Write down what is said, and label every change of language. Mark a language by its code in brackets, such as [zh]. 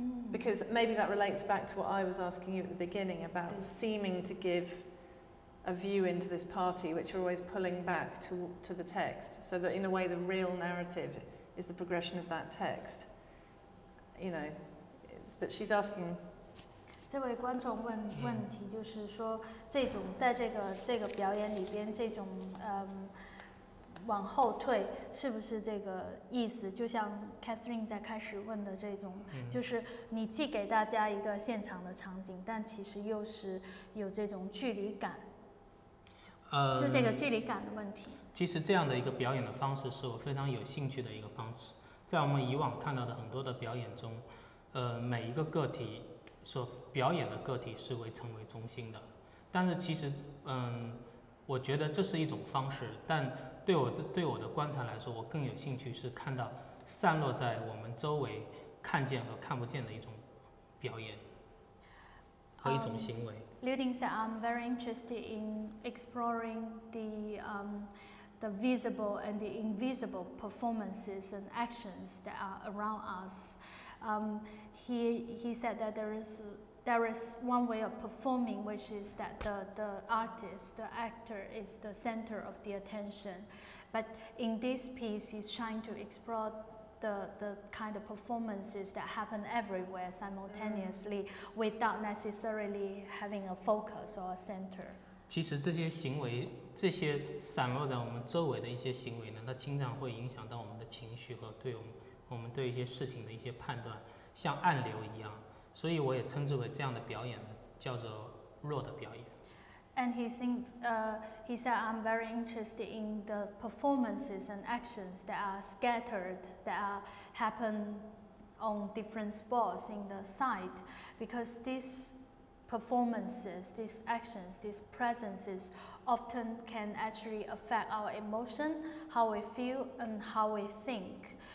[en] Because maybe that relates back to what I was asking you at the beginning about seeming to give... a view into this party, which you're always pulling back to the text, so that in a way the real narrative is the progression of that text. You know, but she's asking. [zh] 这位观众问问题就是说，这种在这个表演里边，这种往后退，是不是这个意思？就像 Catherine 在开始问的这种，就是你既给大家一个现场的场景，但其实又是有这种距离感，就这个距离感的问题。其实这样的一个表演的方式是我非常有兴趣的一个方式，在我们以往看到的很多的表演中，每一个个体所表演的个体是为成为中心的，但是其实我觉得这是一种方式，但对我的观察来说，我更有兴趣是看到散落在我们周围看见和看不见的一种表演和一种行为。 [en] Liu Ding said, I'm very interested in exploring the visible and the invisible performances and actions that are around us. He said that there is one way of performing, which is that the artist, the actor, is the center of the attention. But in this piece, he's trying to explore the kind of performances that happen everywhere simultaneously, without necessarily having a focus or a center. [zh] 其实这些行为，这些散落在我们周围的一些行为呢，它经常会影响到我们的情绪和对我们对一些事情的一些判断，像暗流一样。所以我也称之为这样的表演叫做弱的表演。 [en] And he said I'm very interested in the performances and actions that are scattered, that are happen on different spots in the site, because these performances, these actions, these presences often can actually affect our emotion, how we feel and how we think.